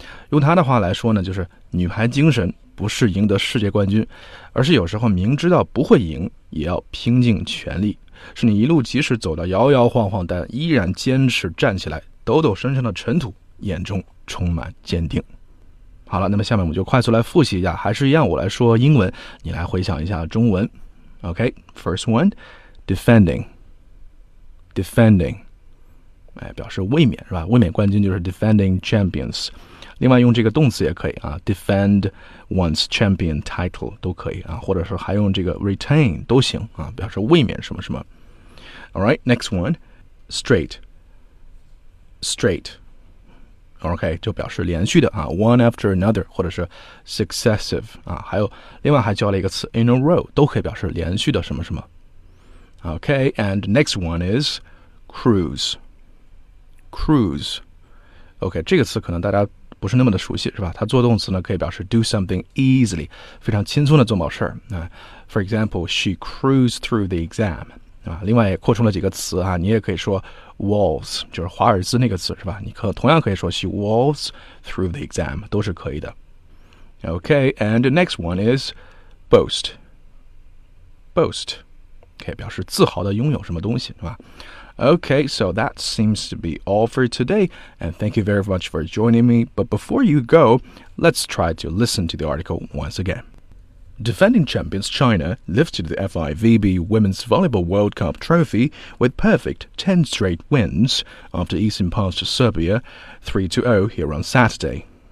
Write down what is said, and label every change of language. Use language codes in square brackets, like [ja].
[zh] 用他的话来说呢，就是女排精神不是赢得世界冠军，而是有时候明知道不会赢也要拼尽全力，是你一路即使走到摇摇晃晃但依然坚持站起来，抖抖身上的尘土，眼中充满坚定。好了，那么下面我们就快速来复习一下，还是一样我来说英文，你来回想一下中文。 [en] OK， first one， defending、哎、 [zh] 表示卫冕，是吧？卫冕冠军就是 defending champions，另外用这个动词也可以啊， [en] defend one's champion title [zh] 都可以啊，或者是还用这个 retain 都行啊，表示卫冕什么什么。 [en] Alright, next one, straight OK, [zh] 就表示连续的啊， [en] one after another [zh] 或者是 successive 啊，还有另外还教了一个词 in a row， 都可以表示连续的什么什么。 [en] OK, and next one is cruise OK, [zh] 这个词可能大家不是那么的熟悉，是吧？它做动词呢，可以表示 [en] do something easily， [zh] 非常轻松的做某事儿。 [en] For example, she cruised through the exam. [zh] 啊，另外也扩充了几个词啊，你也可以说 waltz， 就是华尔兹那个词是吧？你可同样可以说 [en] she waltz through the exam， [zh] 都是可以的。 [en] Okay, and the next one is boast. [zh] Boast, okay, 表示自豪的拥有什么东西是吧？ [en] Okay, so that seems to be all for today, and thank you very much for joining me. But before you go, let's try to listen to the article once again. Defending champions China lifted the FIVB Women's Volleyball World Cup trophy with perfect 10 straight wins after easing past Serbia 3-0 here on Saturday.